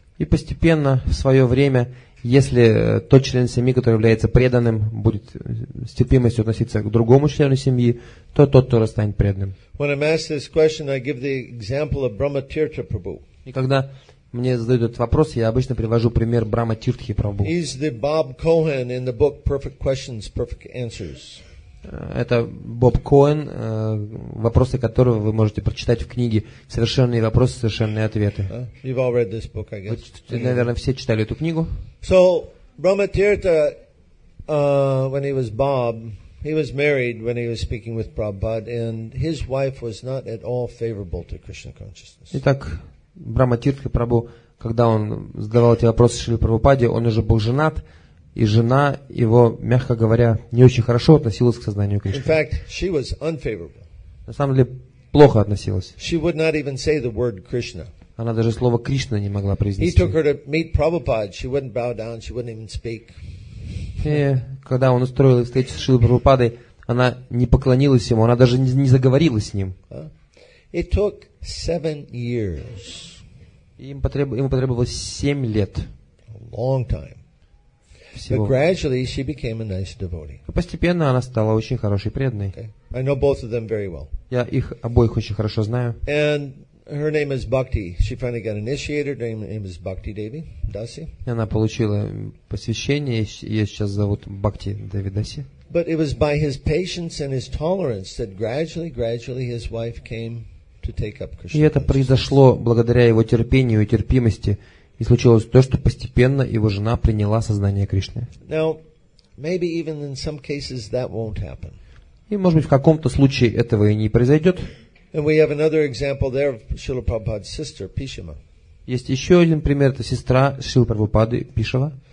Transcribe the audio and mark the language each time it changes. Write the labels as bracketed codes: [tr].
[ru] И постепенно, в свое время, если тот член семьи, который является преданным, будет с терпимостью относиться к другому члену семьи, то тот тоже станет преданным. [en] When I'm asked this question, I give the example of Brahma Tirtha Prabhu. [ru] И когда мне задают этот вопрос, я обычно привожу пример Брама Тиртхи Прабху. [en] He's the Bob Cohen in the book Perfect Questions, Perfect Answers. [ru] Это Боб Коэн, вопросы которого вы можете прочитать в книге «Совершенные вопросы, совершенные ответы». [en] You've all read this book, I guess. [ru] Вы, наверное, все читали эту книгу. [en] So, Brahma Tirtha, when he was Bob, he was married when he was speaking with Prabhupada, and his wife was not at all favorable to Krishna consciousness. [ru] Итак, Брама Тиртха Прабху, когда он задавал эти вопросы Шриле Прабхупаде, он уже был женат, и жена его, мягко говоря, не очень хорошо относилась к сознанию Кришны. [en] In fact, she was unfavorable. [ru] На самом деле, плохо относилась. [en] She would not even say the word Krishna. [ru] Она даже слово Кришна не могла произнести. [en] He took her to meet Prabhupada. She wouldn't bow down. She wouldn't even speak. [ru] И когда он устроил встречу с Шрилой Прабхупадой, она не поклонилась ему. Она даже не заговорила с ним. [en] It took 7 years. [ru] Ему потребовалось 7 лет. [en] A long time. But gradually she became a nice devotee. [ru] Постепенно она стала очень хорошей преданной. [en] I know both of them very well. [ru] Я их обоих очень хорошо знаю. [en] And her name is Bhakti. She finally got initiated. Her name is Bhakti Devi Dasi. [ru] И она получила посвящение. Ее сейчас зовут Бхакти Деви Даси. [en] But it was by his patience and his tolerance that gradually his wife came [ru] И это произошло благодаря его терпению и терпимости. И случилось то, что постепенно его жена приняла сознание Кришны. [en] Now, maybe even in some cases that won't happen. [ru] И, может быть, в каком-то случае этого и не произойдет. [en] And we have another example there of Srila Prabhupada's sister, Pishima. [ru] Есть еще один пример, это сестра Шрилы Прабхупады, Пишава.